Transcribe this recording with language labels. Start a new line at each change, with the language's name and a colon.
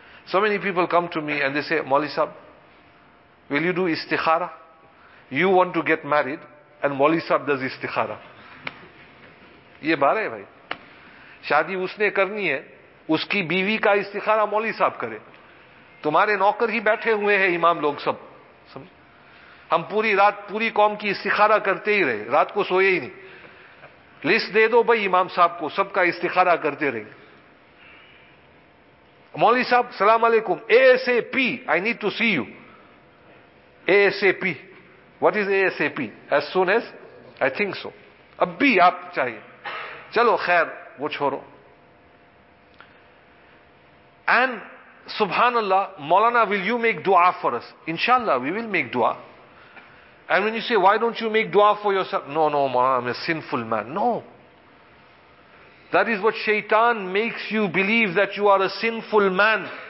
English: So many people come to me and they say, Mauli Sahab, will you do istikhara? You want to get married and Mauli Sahab does istikhara.
Urdu: یہ بارے ہے بھائی۔ شادی اس نے کرنی ہے، اس کی بیوی کا استخارہ مولی صاحب کرے۔ تمہارے نوکر ہی بیٹھے ہوئے ہے امام لوگ سب۔ ہم پوری رات پوری قوم کی استخارہ کرتے ہی رہے، رات کو سوئے ہی نہیں۔ لسٹ دے دو بھائی امام صاحب کو، سب کا استخارہ کرتے رہے۔
English: Mauli Sahab, salam alaikum, ASAP, I need to see you. ASAP. What is ASAP? As soon as? I think so.
Urdu: ابھی آپ چاہیے۔ چلو خیر، وہ چھوڑو۔
English: And subhanallah, Maulana, will you make dua for us? Inshallah, we will make dua. And when you say, why don't you make dua for yourself? No, no, Maulana, I'm a sinful man. No. That is what shaitan makes you believe, that you are a sinful man.